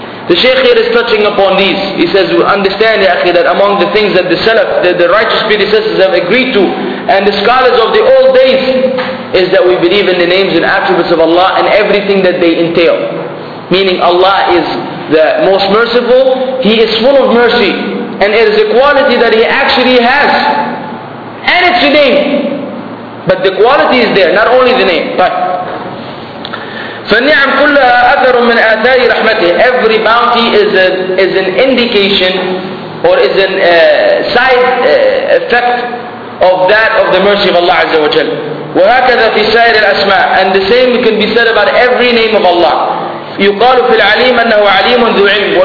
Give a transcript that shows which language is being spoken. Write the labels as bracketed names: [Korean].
[English] The Shaykh here is touching upon these. He says, we understand, [Arabic] ya akhi, [English] that among the things that the Salaf, the righteous predecessors have agreed to, and the scholars of the old days, is that we believe in the names and attributes of Allah and everything that they entail. Meaning Allah is the most merciful, He is full of mercy, and it is a quality that He actually has. And it's a name. But the quality is there, not only the name. But [Arabic] فَالنِّعَمْ كُلَّهَا أَثَرٌ مِّنْ آثَارِ رَحْمَتِهِ. [English] Every bounty is an indication or is a side effect of that of the mercy of Allah Azza wa Jal. [Arabic] وَهَكَذَا فِي سَائِرِ الْأَسْمَاءِ. [English] And the same can be said about every name of Allah. [Arabic] يُقَالُ فِي الْعَلِيمَ أَنَّهُ عَلِيمٌ ذُو عِلْمٍ.